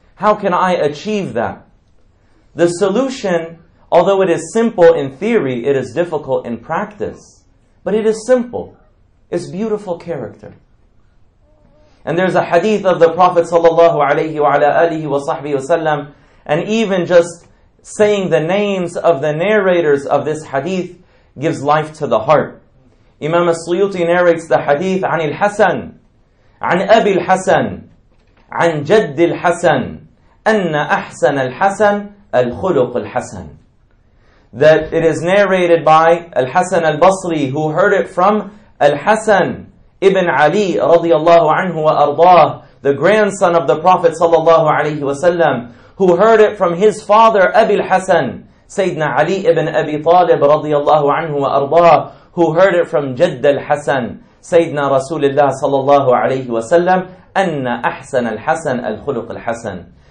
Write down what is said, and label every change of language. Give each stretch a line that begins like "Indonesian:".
English: How can I achieve that? The solution, although it is simple in theory, it is difficult in practice. But it is simple. It's beautiful character. And there's a hadith of the Prophet sallallahu alayhi wa ala alihi wa sahbihi wasallam, and even just saying the names of the narrators of this hadith gives life to the heart. Imam As-Suyuti narrates the hadith
Arabic: عن الحسن عن أبي الحسن عن جد الحسن أن أحسن الحسن الخلق الحسن.
English: That it is narrated by Al-Hasan Al-Basri, who heard it from Al-Hasan Ibn Ali radiyallahu anhu wa ardah, the grandson of the Prophet sallallahu alayhi wa sallam, who heard it from his father Abi Al-Hasan, Sayyidina Ali ibn Abi Talib radiyallahu anhu wa ardah, who heard it from Jadd Al-Hasan, Sayyidina Rasulullah sallallahu alayhi wa sallam,
Arabic: anna ahsan al-hasan al-khuluq al-hasan.